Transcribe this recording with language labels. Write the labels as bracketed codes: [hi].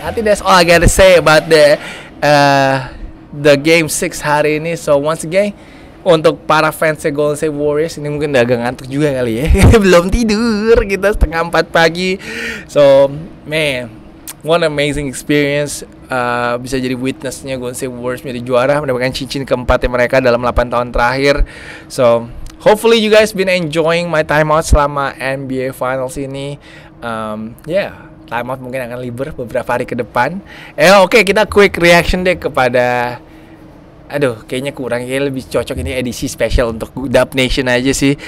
[en] I think that's all I gotta say about the game 6 hari ini. [id] So once again, untuk para fans Golden State Warriors, ini mungkin udah agak ngantuk juga kali ya. Belum tidur, kita setengah 4 pagi. So, man, what an amazing experience. Bisa jadi witnessnya Golden State Warriors menjadi juara, mendapatkan cincin keempatnya mereka dalam 8 tahun terakhir. [en] So, hopefully you guys been enjoying my time out selama NBA Finals ini. [id] Yeah, time out mungkin akan libur beberapa hari ke depan. Okay, kita quick reaction deh kepada, aduh, kayaknya kurang, kayaknya lebih cocok ini edisi special untuk Dub Nation aja sih.